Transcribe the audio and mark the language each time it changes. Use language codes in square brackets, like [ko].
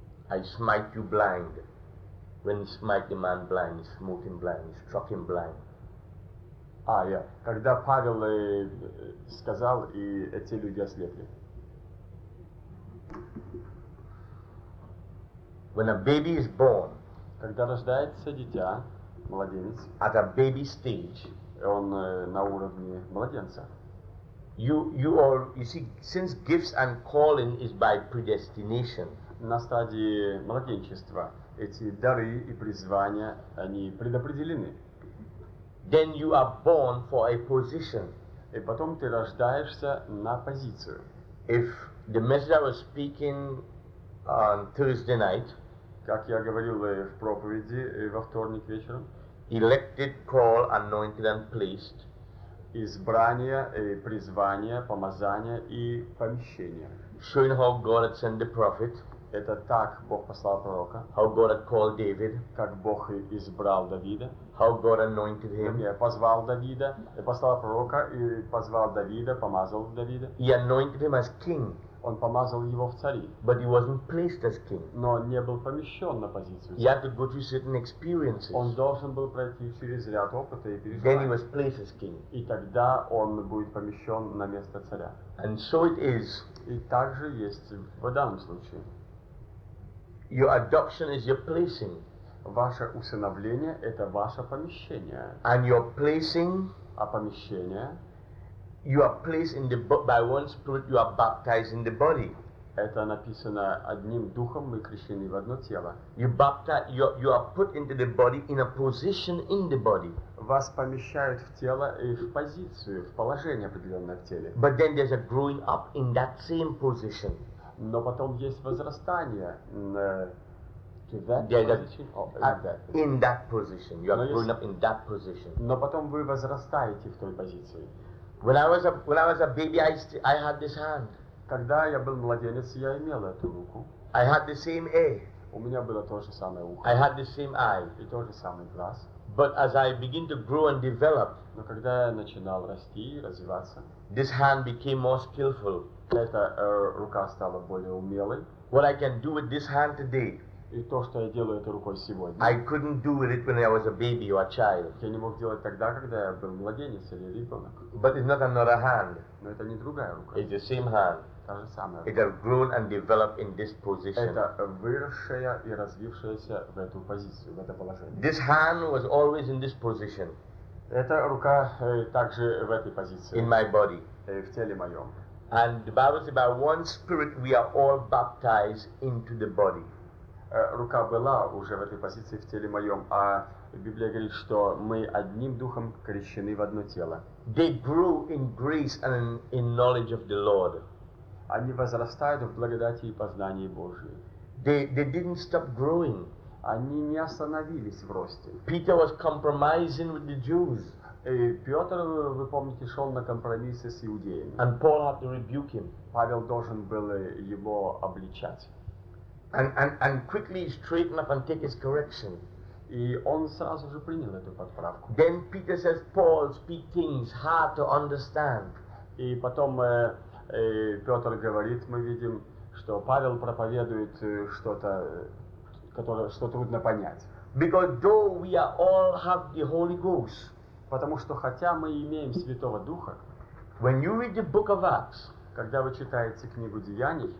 [en] I smite you blind. When he smite the man blind, he smote him blind, he struck him blind. [ru] Когда Павел сказал, и эти люди ослепли. [en] When a baby is born, [ru] когда рождается дитя, младенец, [en] at a baby stage, [ru] он на уровне младенца. [en] You see, since gifts and calling is by predestination, [ru] на стадии младенчества эти дары и призвания они предопределены. [en] Then you are born for a position. [ru] И потом ты рождаешься на позицию. [en] If the message I was speaking on Thursday night, [ru] как я говорил в проповеди во вторник вечером, [en] elected, called, anointed and placed, [ru] избрание, призвание, помазание и помещение. [en] Showing how God had sent the prophet. [ru] Это так Бог послал пророка. [en] How God had called David. [ru] Как Бог избрал Давида. [en] How God anointed him. [ru] Нет, позвал Давида, послал пророка и позвал Давида, помазал Давида. [en] He anointed him as king. [ru] Он помазал его в цари. [en] But he wasn't placed as king. [ru] Но не был помещен на позицию. [en] He had to go through certain experiences. [ru] Он должен был пройти через ряд опыта и переживаний. [en] Then he was placed as king. [ru] И тогда он будет помещен на место царя. [en] And so it is. [ru] И также есть в данном случае. [en] Your adoption is your placing. [ru] Ваше усыновление – это ваше помещение. [en] And your placing, [ru] а помещение, [en] you are placed in the by one spirit, you are baptized in the body. [ru] Это написано одним духом, мы крещены в одно тело. [en] You baptize, you are put into the body in a position in the body. [ru] Вас помещают в тело и в позицию, в положение определенное в теле. [en] But then there's a growing up in that same position. [ru] Но потом есть возрастание. [en] In that position, you are growing up in that position. [ru] Но потом вы возрастаете в той позиции. [en] When I was a baby, I had this hand. [ru] Когда я был младенец, я имел эту руку. [en] I had the same ear. [ru] У меня было то же самое ухо. [en] I had the same eye. [ru] И то же самый глаз. [en] But as I begin to grow and develop, [ru] но когда я начинал расти и развиваться, [en] this hand became more skillful. [ru] Эта рука стала более умелой. [en] What I can do with this hand today? [ru] И то, что я делаю этой рукой сегодня. [en] I couldn't do with it when I was a baby or a child. [ru] Я не мог делать тогда, когда я был младенец или ребенок. [en] But it's not another hand. [ru] Но это не другая рука. [en] It's the same hand. [ru] Та же самая. [en] It has grown and developed in this position. [ru] Это выросшая и развившаяся в эту позицию, в это положение. [en] This hand was always in this position. [ru] Эта рука также в этой позиции. [en] In my body. [ru] В теле моем. [en] And the Bible says, by one Spirit we are all baptized into the body. [ru] Рука была уже в этой позиции в теле моем, а Библия говорит, что мы одним духом крещены в одно тело. [en] They grew in grace and in knowledge of the Lord. [ru] Они возрастают в благодати и познании Божьей. [en] They didn't stop growing. [ru] Они не остановились в росте. [en] Peter was compromising with the Jews. [ru] И Петр, вы помните, шел на компромиссы с иудеями. [en] And Paul had to rebuke him. [ru] Павел должен был его обличать. [en] And quickly straighten up and take his correction. [ru] И он сразу же принял эту подправку. [en] Then Peter says, Paul, speak things hard to understand. [ru] И потом Петр говорит, мы видим, что Павел проповедует что-то, что трудно понять. [en] Because though we are all have the Holy Ghost. [ru] Потому что хотя мы имеем Святого Духа. [en] When you read the Book of Acts. [ru] Когда вы читаете книгу Деяний.